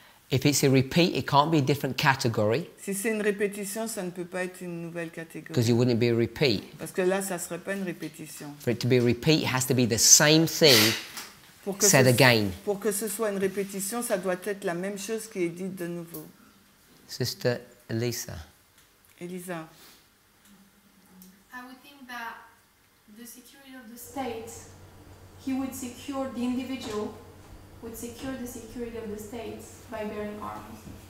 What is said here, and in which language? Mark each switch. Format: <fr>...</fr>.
<en>If it's a repeat, it can't be a different category.</en> <fr>Si c'est une répétition, ça ne peut pas être une nouvelle catégorie.</fr> <en>Because it wouldn't be a repeat.</en> <fr>Parce que là, ça serait pas une répétition.</fr> <en>For it to be a repeat, it has to be the same thing said again.</en> <fr>Pour que ce soit une répétition, ça doit être la même chose qui est dite de nouveau. Mais</fr> <en>Sister Elisa. Elisa. I would think that the security of the state, he would secure the individual, would secure the security of the state by bearing arms.</en>